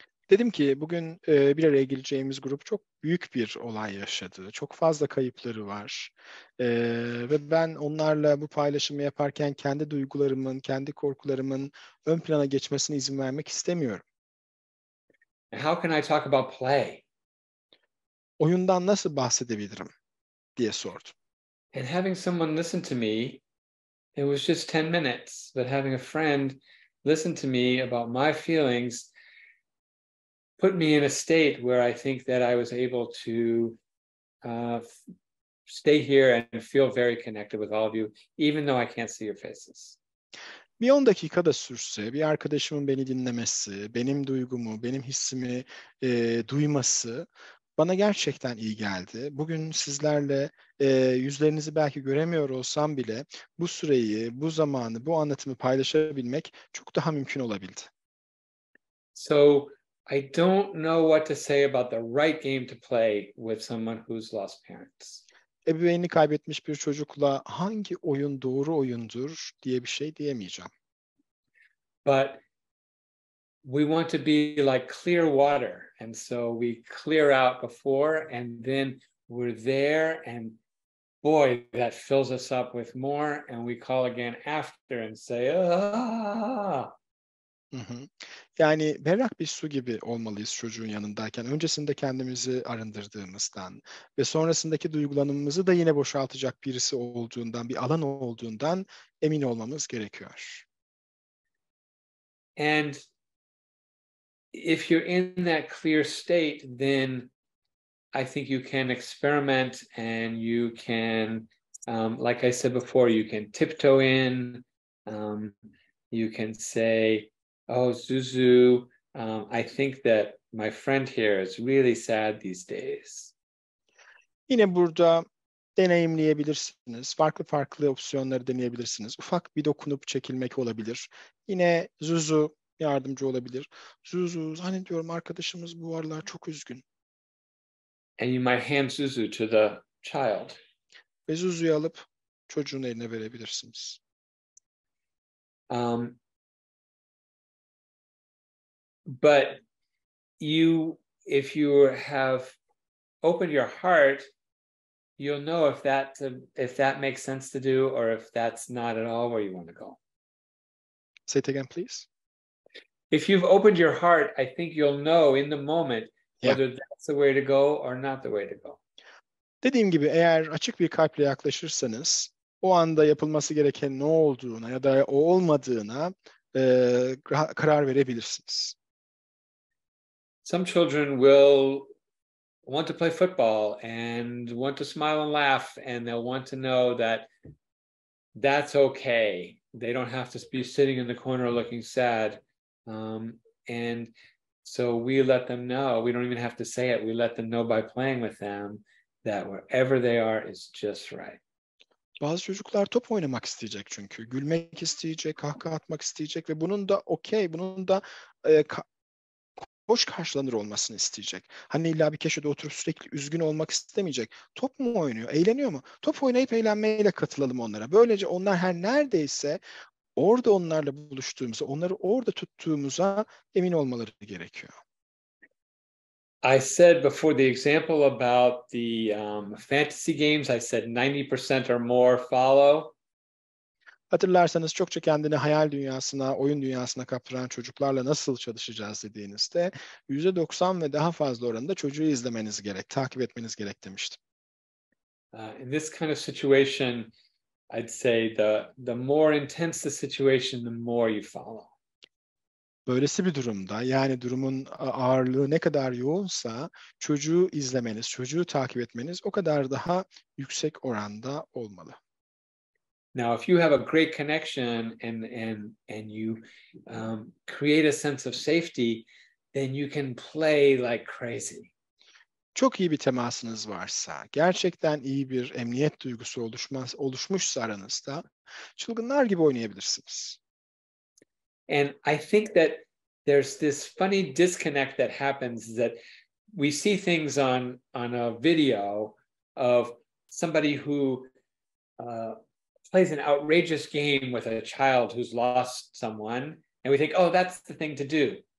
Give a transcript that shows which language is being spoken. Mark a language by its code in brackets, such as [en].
[tr] Dedim ki bugün bir araya geleceğimiz grup çok büyük bir olay yaşadı. Çok fazla kayıpları var. Ve ben onlarla bu paylaşımı yaparken kendi duygularımın, kendi korkularımın ön plana geçmesine izin vermek istemiyorum. [en] How can I talk about play? [tr] Oyundan nasıl bahsedebilirim diye sordum. [en] And having someone listen to me, it was just 10 minutes, but having a friend listen to me about my feelings put me in a state where I think that I was able to stay here and feel very connected with all of you, even though I can't see your faces. [tr] Bir 10 dakika da sürse, bir arkadaşımın beni dinlemesi, benim duygumu, benim hissimi duyması bana gerçekten iyi geldi. Bugün sizlerle yüzlerinizi belki göremiyor olsam bile bu süreyi, bu zamanı, bu anlatımı paylaşabilmek çok daha mümkün olabildi. [en] So I don't know what to say about the right game to play with someone who's lost parents. [tr] Ebeveynini kaybetmiş bir çocukla hangi oyun doğru oyundur diye bir şey diyemeyeceğim. [en] But we want to be like clear water, and so we clear out before, and then we're there, and boy, that fills us up with more, and we call again after and say, ah. [tr] Yani berrak bir su gibi olmalıyız çocuğun yanındayken. Öncesinde kendimizi arındırdığımızdan ve sonrasındaki duygulanımımızı da yine boşaltacak birisi olduğundan, bir alan olduğundan emin olmamız gerekiyor. [en] And if you're in that clear state, then I think you can experiment and you can, like I said before, you can tiptoe in, you can say, oh, Zuzu, I think that my friend here is really sad these days. [tr] Yine burada deneyimleyebilirsiniz. Farklı opsiyonları deneyebilirsiniz. Ufak bir dokunup çekilmek olabilir. Yine Zuzu yardımcı olabilir. Zuzu, zannediyorum arkadaşımız bu aralar çok üzgün. [en] And you might hand Zuzu to the child. [tr] Ve Zuzu'yu alıp çocuğun eline verebilirsiniz. [en] But you, if you have opened your heart, you'll know if that makes sense to do or if that's not at all where you want to go. Say it again, please. If you've opened your heart, I think you'll know in the moment whether that's the way to go or not the way to go. [tr] Dediğim gibi, eğer açık bir kalple yaklaşırsanız, o anda yapılması gereken ne olduğuna ya da o olmadığına karar verebilirsiniz. [en] Some children will want to play football and want to smile and laugh and they'll want to know that that's okay. They don't have to be sitting in the corner looking sad. And So we let them know, we don't even have to say it, we let them know by playing with them that wherever they are is just right. [tr] Bazı çocuklar top oynamak isteyecek çünkü. Gülmek isteyecek, kahkaha atmak isteyecek ve bunun da okey, bunun da hoş karşılanır olmasını isteyecek. Hani illa bir köşede oturup sürekli üzgün olmak istemeyecek. Top mu oynuyor, eğleniyor mu? Top oynayıp eğlenmeyle katılalım onlara. Böylece onlar her neredeyse orada onlarla buluştuğumuza, onları orada tuttuğumuza emin olmaları gerekiyor. [en] I said before the example about the fantasy games, I said 90% or more follow. [tr] Hatırlarsanız çokça kendini hayal dünyasına, oyun dünyasına kaptıran çocuklarla nasıl çalışacağız dediğinizde %90 ve daha fazla oranında çocuğu izlemeniz gerek, takip etmeniz gerek demiştim. [en] In this kind of situation, I'd say the more intense the situation, the more you follow. [tr] Böylesi bir durumda, yani durumun ağırlığı ne kadar yoğunsa çocuğu izlemeniz, çocuğu takip etmeniz o kadar daha yüksek oranda olmalı. [en] Now if you have a great connection and you create a sense of safety, then you can play like crazy. [tr] Çok iyi bir temasınız varsa, gerçekten iyi bir emniyet duygusu oluşmuşsa aranızda çılgınlar gibi oynayabilirsiniz. [en] And I think that there's this funny disconnect that happens that we see things on a video of somebody who plays an outrageous game with a child who's lost someone, and we think, oh, that's the thing to do.